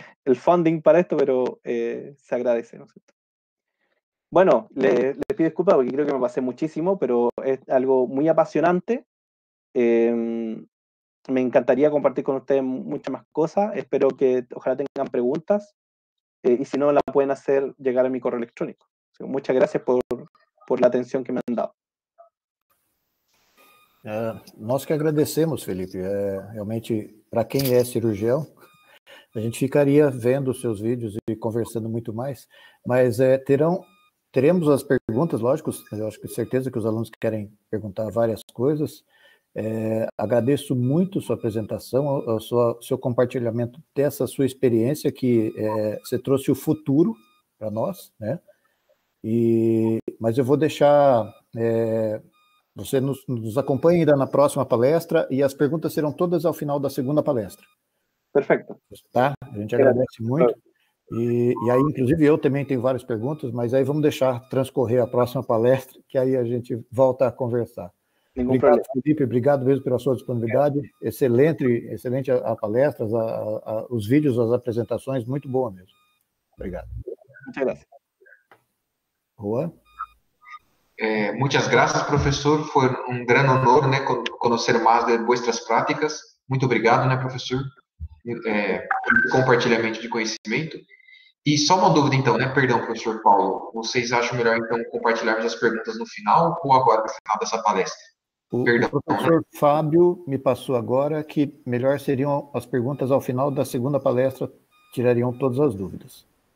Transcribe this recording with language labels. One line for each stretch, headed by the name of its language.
Spanish: el funding para esto, pero se agradece, ¿no es cierto? Bueno, le pido disculpas porque creo que me pasé muchísimo, pero es algo muy apasionante. Me encantaría compartir con ustedes muchas más cosas. Espero que ojalá tengan preguntas y si no, la pueden hacer llegar a mi correo electrónico. O sea, muchas gracias por la atención que me han dado.
Portuguese: Nós que agradecemos, Felipe. Realmente, para quem é cirurgião, a gente ficaria vendo os seus vídeos e conversando muito mais, mas teremos as perguntas, lógico, eu acho que certeza que os alunos querem perguntar várias coisas. Agradeço muito sua apresentação, seu compartilhamento dessa sua experiência, que você trouxe o futuro para nós, né? Mas eu vou deixar... Você nos acompanha ainda na próxima palestra e as perguntas serão todas ao final da segunda palestra. Perfeito. Tá? A gente agradece muito. E aí, inclusive, eu também tenho várias perguntas, mas aí vamos deixar transcorrer a próxima palestra, que aí a gente volta a conversar. Obrigado, Felipe. Obrigado mesmo pela sua disponibilidade. Excelente a palestra, os vídeos, as apresentações, muito boa mesmo. Obrigado. Muito obrigado. Boa.
Spanish: Muchas gracias, profesor. Fue un gran honor, ¿no?, conocer más de vuestras prácticas.
Portuguese: Muito obrigado,
Spanish: ¿no, profesor?
Portuguese: Compartilhamento de conhecimento. E só uma dúvida, então, né? Perdão, professor Paulo. Vocês acham melhor, então, compartilharmos as perguntas no final ou agora, no final dessa palestra? Perdão. O professor Fábio me passou agora que melhor seriam as perguntas ao final da segunda palestra, tirariam todas as dúvidas.